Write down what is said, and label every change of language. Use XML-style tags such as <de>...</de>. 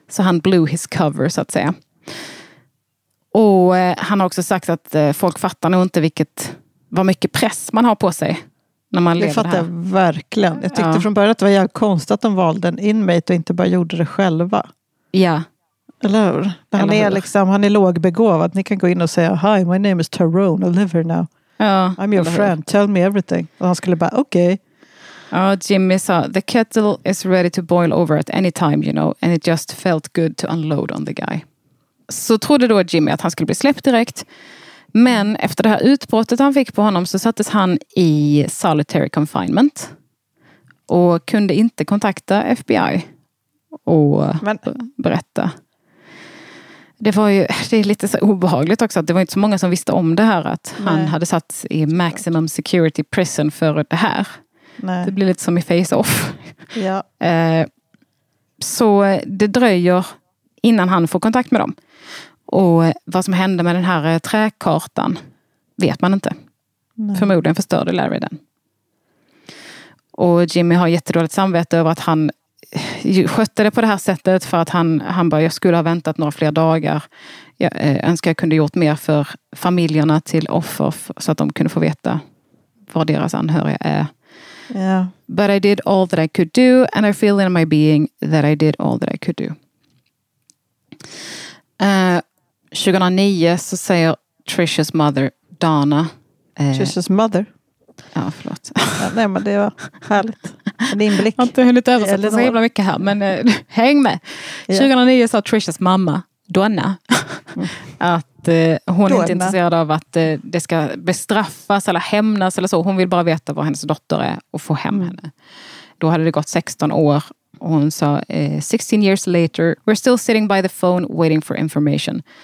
<sv>Så han</sv> <en>blew his cover</en> <sv>så att säga. Och han har också sagt att folk fattar nog inte vad mycket press man har på sig. När man det fattar jag verkligen. Jag tyckte från början att det var jävligt konstigt att de valde en inmate och inte bara gjorde det själva. Ja. Eller hur? Han är lågbegåvad. Ni kan gå in och säga,</sv> <en>hi, my name is Tyrone. I live here now.</en> <sv>Ja.</sv> <en>I'm your friend. Tell me everything.</en> <sv>Och han skulle bara, okej.</sv> <en>Okay.</en> <sv>Ja, Jimmy sa,</sv> <en>the kettle is ready to boil over at any time, you know. And it just felt good to unload on the guy.</en> <sv>Så trodde då Jimmy att han skulle bli släppt direkt. Men efter det här utbrottet han fick på honom så sattes han i</sv> <en>solitary confinement.</en> <sv>Och kunde inte kontakta FBI och berätta. Det var ju, det är lite så obehagligt också att det var inte så många som visste om det här, att han hade satt i</sv> <en>maximum security prison</en> <sv>för det här. Det blir lite som i Face-Off. Ja. Så det dröjer innan han får kontakt med dem. Och vad som hände med den här träkartan vet man inte. Nej. Förmodligen förstörde Larry den. Och Jimmy har jättedåligt samvete över att han skötte det på det här sättet, för att han bara, jag skulle ha väntat några fler dagar. Jag önskar jag kunde gjort mer för familjerna till offer, så att de kunde få veta var deras anhöriga är.</sv> <en>Yeah. But I did all that I could do, and I feel in my being that I did all that I could do.</en> <sv>2009 så säger</sv> <en>Trisha's mother,</en> <sv>Donna.</sv> <en>Trisha's mother?</en> <sv>Ja, förlåt. Ja, nej, men det var härligt. En inblick. Jag har inte hunnit översätta så jävla mycket här, men häng med. 2009 sa Trisha's mamma, Donna, att hon är inte intresserad av att det ska bestraffas eller hämnas eller så. Hon vill bara veta var hennes dotter är och få hem henne. Då hade det gått 16 år. Och hon sa,</sv> <en>16 years later, we're still sitting by the phone waiting for information.</en>